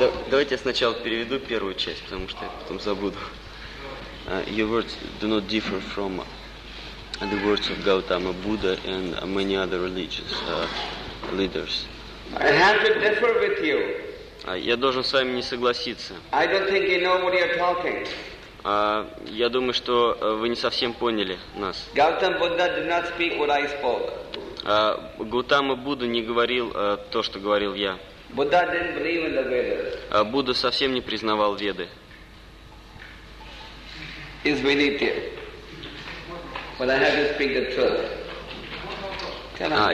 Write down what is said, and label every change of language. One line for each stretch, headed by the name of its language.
Russian: Давайте я сначала переведу первую часть, потому что я потом забуду.
English: Your words do not differ from the words of Gautama Buddha and many other religious leaders. I have to differ with you.
Russian: Я должен с вами не согласиться.
English: I don't think you know what you're talking.
Russian: Я думаю, что вы не совсем поняли нас.
English: Gautama Buddha did not speak what I spoke.
Russian: Гаутама Будда не говорил то, что говорил я.
English: Buddha didn't believe in the Vedas.
Russian: Будда совсем не признавал Веды. Извините,
English: but I have to speak the truth.